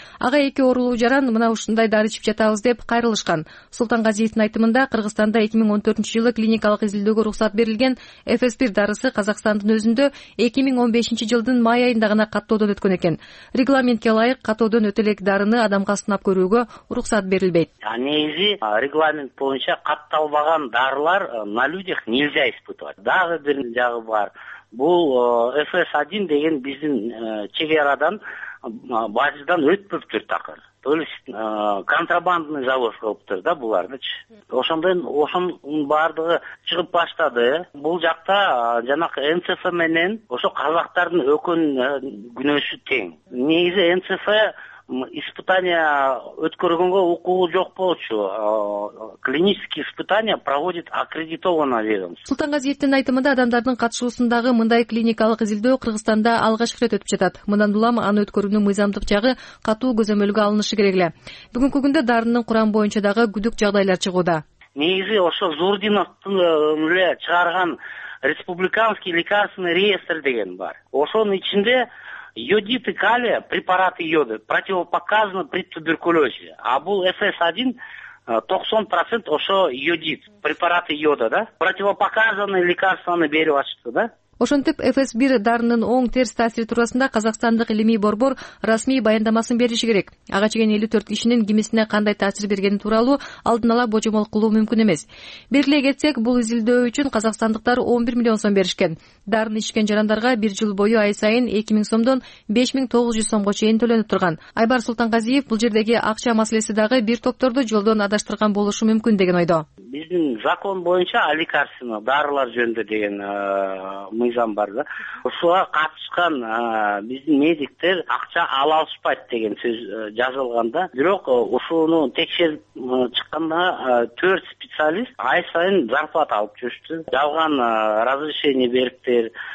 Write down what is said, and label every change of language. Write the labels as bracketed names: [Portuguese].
[Kyrgyz] Ага эки оорулуу жаран, мына ушундай дары ичип жатабыз деп кайрылышкан. Султангазиевдин айтымында Кыргызстанда 2014 жылы клиникалык изилдөөгө уруксат берилген FS1 дарысы Казакстандын өзүндө 2015 жылдын май айында гана каттоодон өткөн экен. Регламентке ылайык каттоодон өтө элек дарыны адамга сынап көрүүгө уруксат берилбейт. Негизи регламент боюнча катталбаган дарылар на людях нельзя испытывать. Дагы бир жагы бар. Бул FS1 деген биздин чек арадан базадан өтпөптүр такыр. То есть контрабандный завод кылыптыр да булардычы. Ошондон ошонун баардыгы чыгып баштады. Бул жакта жанагы НЦФ менен ошо казактардын өкөн күнөсү тең. Негизи НЦФ испытания өткөргөнгө укугу жок болчу. [Russian] Клинические испытания проводит аккредитованное ведомство. [Kyrgyz] Султангазиевдин айтымында адамдардын катышуусундагы мындай клиникалык изилдөө Кыргызстанда алгач ирет өтүп жатат. Мындан улам аны өткөрүүнүн мыйзамдык жагы катуу көзөмөлгө алынышы керек эле. Бүгүнкү күндө дарынын курам боюнча дагы күдүк жагдайлар чыгууда. Негизи ошо Зурдиновдун эле чыгарган республиканский лекарственный реестр деген бар. [Russian] Ошонун ичинде йодит и калия, препараты йода, противопоказаны при туберкулезе. А бул FS1 [Kyrgyz] 90% ошо йодит, препараты йода, да? Противопоказанные лекарствоны берип ачты, да? Ошентип, ФС-1 дарынын оң терс таасири туурасында Казакстандык илимий борбор расмий баяндамасын бериши керек. Ага чейин 54 кишинин кимисине кандай таасир бергени тууралуу алдын ала божомол кылуу мүмкүн эмес. Белгилей кетсек, бул изилдөө үчүн казакстандыктар 11 миллион сом беришкен. Дарын ичкен жарандарга бир жыл бою ай сайын 2000 сомдон 5900 сомго чейин төлөнүп турган. Айбар Султангазиев бул жердеги акча маселеси дагы бир топторду жолдон адаштырган болушу мүмкүн деген ойдо. Биздин закон боюнча лекарство, дарылар жөнүндө деген мыйзам бар да. Ушуга катышкан биздин медиктер акча ала алышпайт деген сөз жазылган да. Бирок ушуну текшерип чыкканда 4 специалист ай сайын зарплата алып жүрүштү. Жалган разрешение бериптир.